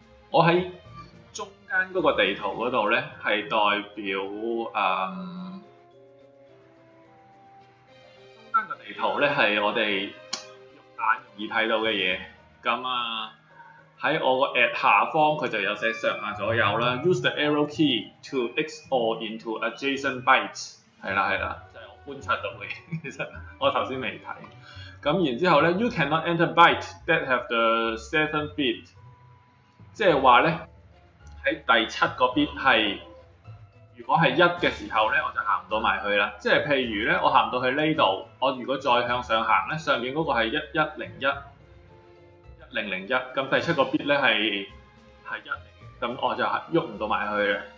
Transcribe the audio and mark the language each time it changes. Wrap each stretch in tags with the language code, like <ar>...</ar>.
<yue>我在中間嗰個地圖嗰度咧，係代表中間個地圖咧係我哋肉眼易睇到嘅嘢。咁啊，喺我個 at 下方佢就有寫上下左右啦。</yue> <en>Use the arrow key to XOR into adjacent bytes。</en> <yue>係啦係啦，就係我觀察到嘅。其實我頭先未睇。咁然之後咧</yue> <en>，You cannot enter bytes that have the 7th bit。</en> <yue>即係話咧。在第七個 bit 是，如果是一的時候呢，我就行不到埋去啦。即係譬如呢，我行到去呢度，我如果再向上行呢，上面嗰個係1101001，咁第七個 bit 呢係一，咁我就喐唔到埋去啦。</yue>